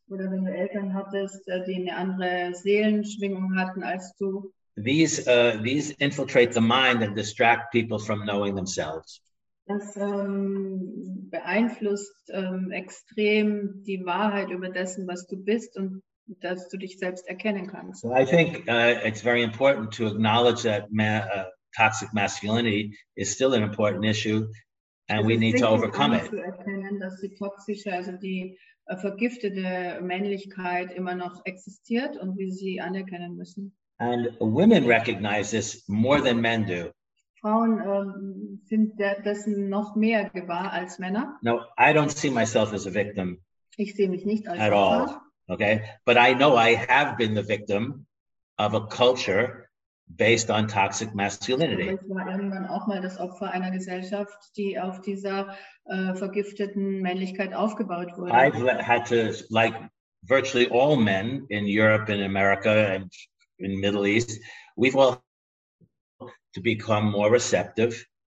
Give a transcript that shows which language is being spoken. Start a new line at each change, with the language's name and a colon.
German: Oder wenn du Eltern hattest, die eine andere Seelenschwingung hatten als du.
English: These infiltrate the mind and distract people from knowing themselves.
German: Das beeinflusst extrem die Wahrheit über dessen, was du bist und dass du dich selbst erkennen kannst.
English: So I think it's very important to acknowledge that toxic masculinity is still an important issue and we need to overcome it.
German: Erkennen, dass die toxische, also die vergiftete Männlichkeit immer noch existiert und wir sie anerkennen müssen.
English: And women recognize this more than men do.
German: Frauen sind dessen noch mehr gewahr als Männer.
English: No, I don't see myself as a victim.
German: Ich sehe mich nicht als
English: at all. Okay, but I know I have been the victim of a culture based on toxic masculinity.
German: Ich war irgendwann auch mal das Opfer einer Gesellschaft, die auf dieser vergifteten Männlichkeit aufgebaut wurde.
English: I've had to, like virtually all men in Europe and America and in Middle East, we've all to become more receptive.